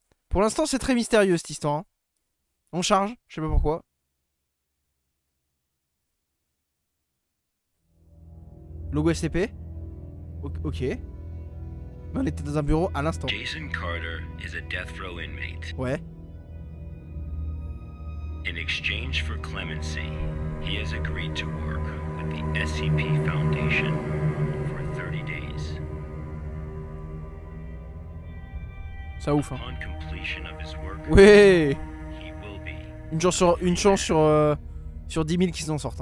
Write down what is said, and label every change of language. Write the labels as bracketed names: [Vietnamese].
[French] Pour l'instant, c'est très mystérieux cette histoire. Hein. On charge, je sais pas pourquoi. Logo SCP. Ok. On était dans un bureau à l'instant. [English] Jason Carter is a death row inmate. [French] Ouais. [English] In exchange for clemency, he has agreed to work with the SCP Foundation for 30 days. [French] Ça ouf, hein. [English] Upon completion of his work, [French] ouais. [English] He will be [French] une chance sur 10 000 qui s'en sortent.